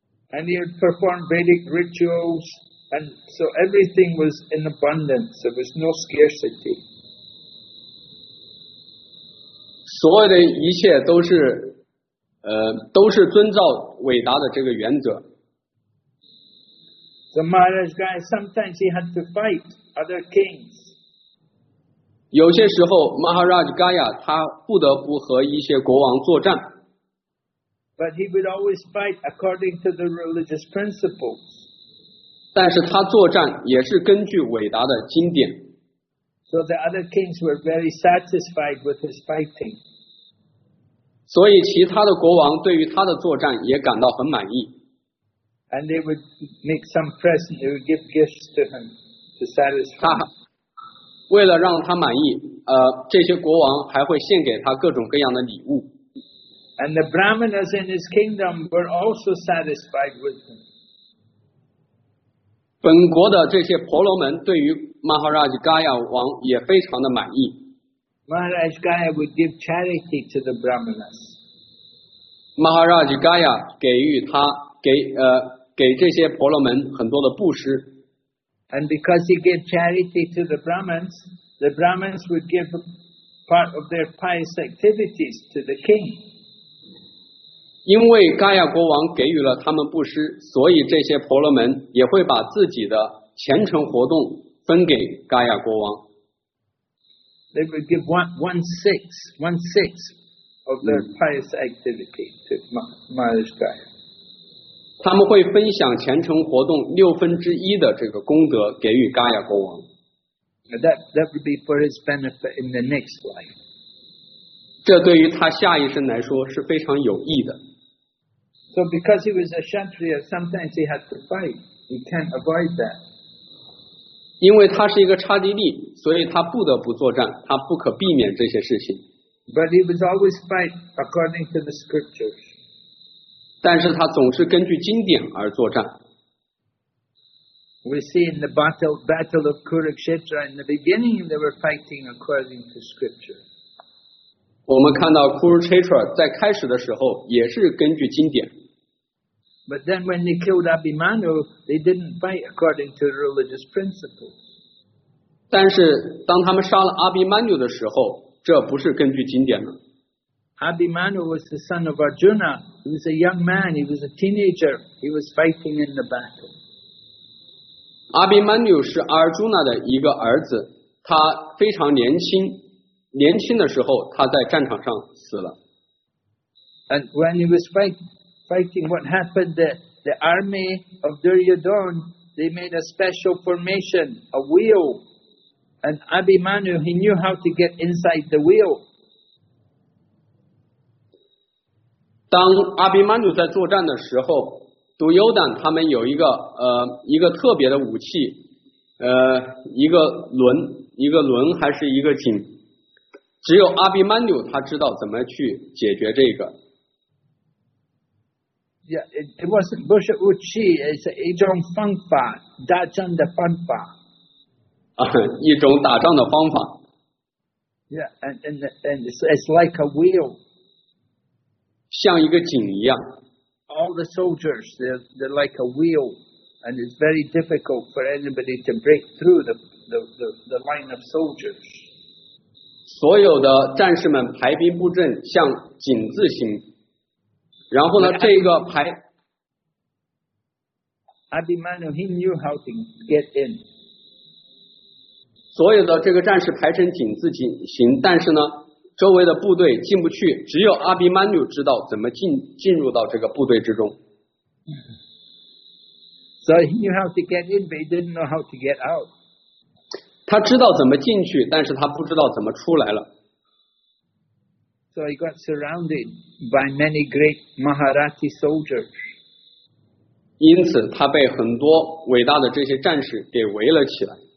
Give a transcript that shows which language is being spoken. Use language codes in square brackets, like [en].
[en] And he had performed Vedic rituals. And so everything was in abundance. There was no scarcity. [zh] 所有的一切都是，都是遵照伟达的这个原则。 [en] The Maharaj guy sometimes he had to fight other kings. [zh] 有些时候 ，Maharaj Gaya 他不得不和一些国王作战。 [en] But he would always fight according to the religious principles. [zh] 但是他作战也是根据伟达的经典。 [en] So the other kings were very satisfied with his fighting. [zh] 所以其他的国王对于他的作战也感到很满意。 [en] And they would make some presents, they would give gifts to him to satisfy him. [zh] 为了让他满意，这些国王还会献给他各种各样的礼物。 [en] And the brahmanas in his kingdom were also satisfied with him. [zh] 本国的这些婆罗门对于 Maharaj Gaya 王也非常的满意。 [en] Maharaj Gaya would give charity to the brahmanas. [zh] Maharaj Gaya 给这些婆罗门很多的布施。 [en] And because he gave charity to the brahmans would give part of their pious activities to the king. [zh] 因为嘎亚国王给予了他们布施，所以这些婆罗门也会把自己的虔诚活动分给嘎亚国王。 [en] They would give one sixth of their pious activity to Maharaj Gaya. [zh] 他们会分享虔诚活动六分之一的这个功德给予嘎亚国王。 [en] That would be for his benefit in the next life. [zh] 这对于他下一生来说是非常有益的。 [en] So because he was a Kshatriya, sometimes he had to fight. He can't avoid that. [zh] 因为他是一个刹帝利，所以他不得不作战，他不可避免这些事情。 [en] But he was always fight according to the scriptures. [zh] 但是他总是根据经典而作战。 [en] We see in the battle of Kurukshetra, in the beginning they were fighting according to scripture. [zh] 我们看到 Kurukshetra 在开始的时候也是根据经典。 [en] But then when they killed Abhimanyu, they didn't fight according to religious principles. [zh] 但是当他们杀了阿比曼纽的时候，这不是根据经典了。 [en] Abhimanyu was the son of Arjuna. He was a young man. He was a teenager. He was fighting in the battle. [zh] 阿比曼纽是阿尔朱纳的一个儿子，他非常年轻。年轻的时候他在战场上死了。 [en] And when he was fighting, what happened? The army of Duryodhana, they made a special formation, a wheel. And Abhimanyu, he knew how to get inside the wheel. [zh] 当阿比曼纽在作战的时候，杜尤丹他们有一个特别的武器，一个轮还是一个井。只有阿比曼纽他知道怎么去解决这个。 [en] Yeah, it wasn't Bush Uchi, it's a [zh] 一种方法，打仗的方法。一种打仗的方法。 [en] Yeah, and it's like a wheel. [zh] 像一个井一样。 [en] All the soldiers, they're like a wheel, and it's very difficult for anybody to break through the line of soldiers. [zh] 所有的战士们排兵布阵像井字形，然后呢，这个排。 [en] Abhimanyu he knew how to get in. [zh] 所有的这个战士排成井字形，但是呢，周围的部队进不去，只有阿比曼纽知道怎么进入到这个部队之中。 [en] So he knew how to get in, but he didn't know how to get out. [zh] 他知道怎么进去，但是他不知道怎么出来了。 [en] So he got surrounded by many great Maharati soldiers. [zh] 因此他被很多伟大的这些战士给围了起来。